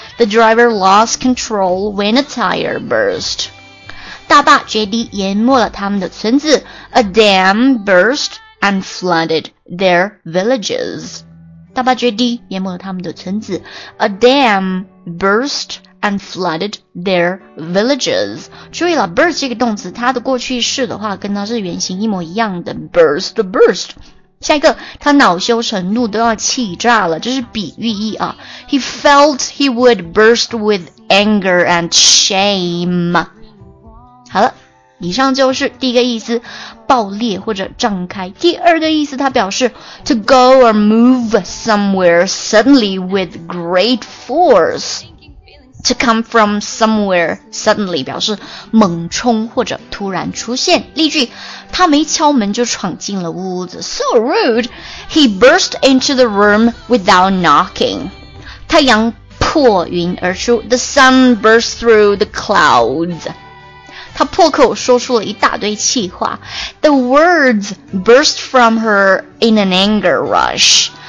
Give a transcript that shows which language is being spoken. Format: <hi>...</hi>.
<en>The driver lost control when a tire burst.</en> <zh>大坝决堤淹没了他们的村子。</zh> <en>A dam burst and flooded their villages.</en> <zh>大坝决堤淹没了他们的村子。</zh> <en>A dam burst and flooded their villages.</en> <zh>注意了 burst 这个动词，它的过去式的话跟它是原型一模一样的 burst. 下一个，他恼羞成怒都要气炸了，这是比喻意啊。</zh> <en>He felt he would burst with anger and shame.</en> <zh>好了，以上就是第一个意思，爆裂或者胀开。第二个意思，它表示</zh> <en>to go or move somewhere suddenly with great force. To come from somewhere suddenly</en> <zh>表示猛冲或者突然出现。例句，他没敲门就闯进了屋子。</zh> <en>So rude! He burst into the room without knocking.</en> <zh>太阳破云而出。</zh> <en>The sun burst through the clouds.</en> <zh>他破口说出了一大堆气话。</zh> <en>The words burst from her in an anger rush.</en>